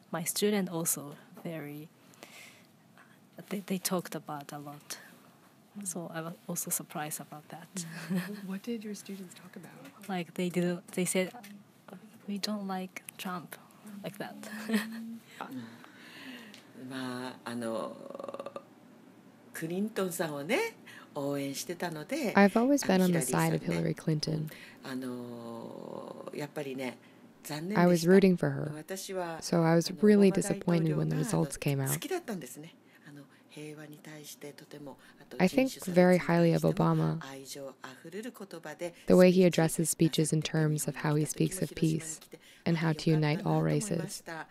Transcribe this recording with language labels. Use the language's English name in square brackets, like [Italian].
[English] My student also very, they talked about a lot. So I was also surprised about that. Mm-hmm. What did your students talk about? Like they didn't, they said, we don't like Trump, like that. [Japanese] まあ、あのクリントンさんをね応援してたので、 [English] I've always been on the side of Hillary Clinton. [Japanese] あのやっぱりね残念でした。 [English] I was rooting for her. So I was really disappointed when the results came out. [Japanese] 好きだったんですね。あの平和に対してとてもあと [English] I think very highly of Obama. [Japanese] 愛情あふれる言葉で、 [English] The way he addresses speeches in terms of how he speaks of peace and how to unite all races.